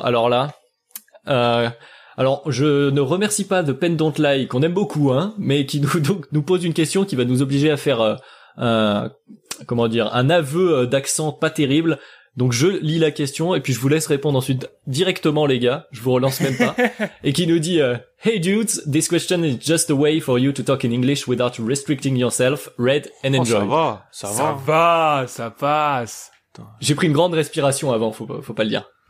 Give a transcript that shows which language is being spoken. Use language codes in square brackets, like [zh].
[fr] Alors là, je ne remercie pas The Pen Don't Lie, qu'on aime beaucoup, hein, mais qui nous pose une question qui va nous obliger à faire... un aveu d'accent pas terrible. Donc je lis la question et puis je vous laisse répondre ensuite directement, les gars, je vous relance même pas. Et qui nous dit [en] hey dudes, this question is just a way for you to talk in English without restricting yourself, read and enjoy. [fr] Oh, ça va, ça passe. Attends. J'ai pris une grande respiration avant, faut pas le dire.